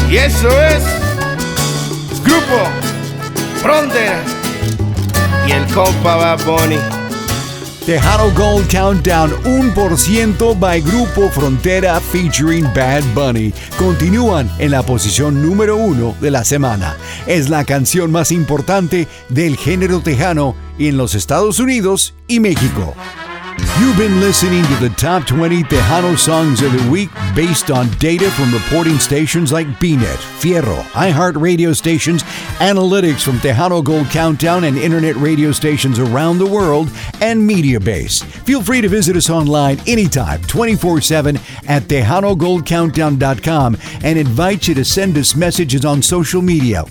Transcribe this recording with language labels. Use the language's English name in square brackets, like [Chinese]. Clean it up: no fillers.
[Spanish] Eso es Grupo Frontera y el compa Bad Bunny. [English] Tejano Gold Countdown 1% by Grupo Frontera featuring Bad Bunny. [Spanish] Continúan en la posición número 1 de la semana. Es la canción más importante del género tejano en los Estados Unidos y México. [English] You've been listening to the top 20 Tejano songs of the week based on data from reporting stations like BNET, Fierro, iHeartRadio stations, analytics from Tejano Gold Countdown and internet radio stations around the world, and MediaBase. Feel free to visit us online anytime, 24/7 at TejanoGoldCountdown.com and invite you to send us messages on social media.